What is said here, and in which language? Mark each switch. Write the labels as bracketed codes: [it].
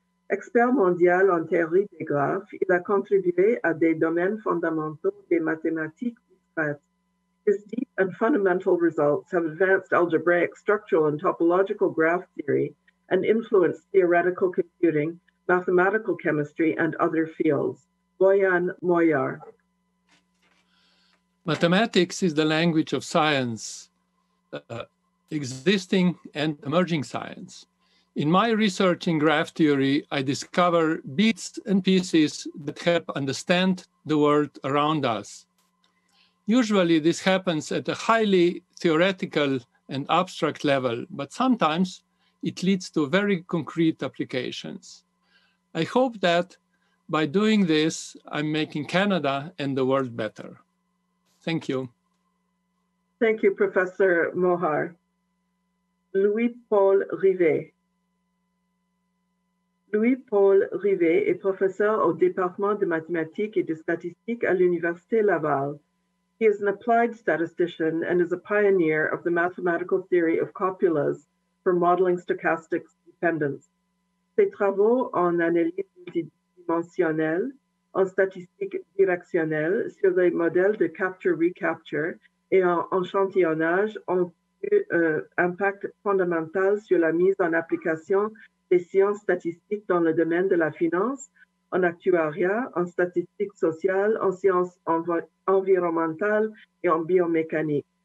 [fr] Expert mondial en théorie des graphes, il a contribué à des domaines fondamentaux des mathématiques discrètes. [en] His deep and fundamental results have advanced algebraic structural and topological graph theory and influenced theoretical computing, mathematical chemistry, and other fields. Boyan Moyar. Mathematics is the language of science, existing and emerging science. In my research in graph theory, I discover bits and pieces that help understand the world around us. Usually this happens at a highly theoretical and abstract level, but sometimes it leads to very concrete applications. I hope that by doing this, I'm making Canada and the world better. Thank you. Thank you, Professor Mohar. Louis-Paul Rivet. [fr] Louis-Paul Rivet est professeur au département de mathématiques et de statistiques à l'Université Laval. [en] He is an applied statistician and is a pioneer of the mathematical theory of copulas for modeling stochastic dependence. [fr] Ses travaux en analyse multidimensionnelle, en statistique directionnelle, sur les modèles de capture-recapture et en échantillonnage ont eu un impact fondamental sur la mise en application des sciences statistiques dans le domaine de la finance, en actuariat, en statistique sociale, en sciences environnementales et en biomécanique.